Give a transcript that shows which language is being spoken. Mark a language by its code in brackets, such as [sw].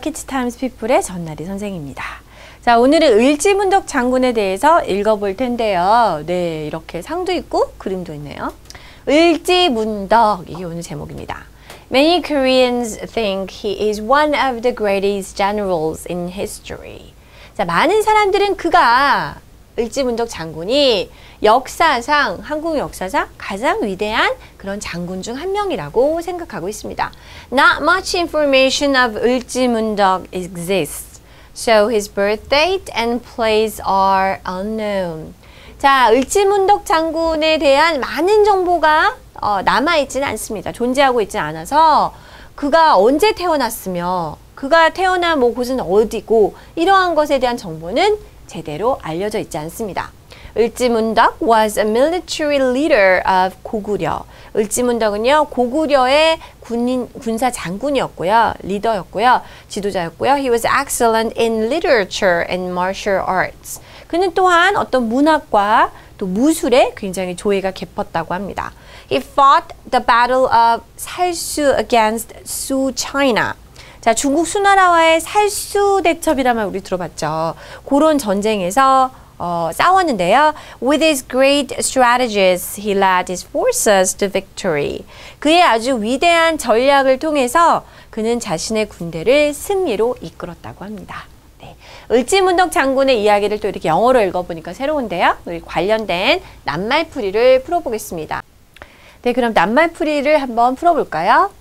[ko] 키치타임스 피플의 전나리 선생입니다. 자, 오늘은 을지문덕 장군에 대해서 읽어볼 텐데요. 네, 이렇게 상도 있고 그림도 있네요. 을지문덕, 이게 오늘 제목입니다. [en] Many Koreans think he is one of the greatest generals in history. [ko] 자, 많은 사람들은 그가 을지문덕 장군이 역사상, 한국 역사상 가장 위대한 그런 장군 중 한 명이라고 생각하고 있습니다. [en] Not much information of 을지문덕 exists. So his birth date and place are unknown. [ko] 자, 을지문덕 장군에 대한 많은 정보가 남아있지는 않습니다. 존재하고 있지 않아서 그가 언제 태어났으며 그가 태어난 뭐 곳은 어디고 이러한 것에 대한 정보는 제대로 알려져 있지 않습니다. [en] 을지문덕 was a military leader of 고구려. [ko] 을지문덕은요, 고구려의 군사 장군이었고요. 리더였고요. 지도자였고요. [en] He was excellent in literature and martial arts. [ko] 그는 또한 어떤 문학과 또 무술에 굉장히 조예가 깊었다고 합니다. [en] He fought the battle of 살수 against Su China. [ko] 자, 중국 수나라와의 살수 대첩이라면 우리 들어봤죠. 그런 전쟁에서 싸웠는데요. [en] With his great strategies, he led his forces to victory. [ko] 그의 아주 위대한 전략을 통해서 그는 자신의 군대를 승리로 이끌었다고 합니다. 네. 을지문덕 장군의 이야기를 또 이렇게 영어로 읽어보니까 새로운데요. 우리 관련된 낱말풀이를 풀어보겠습니다. 네, 그럼 낱말풀이를 한번 풀어볼까요?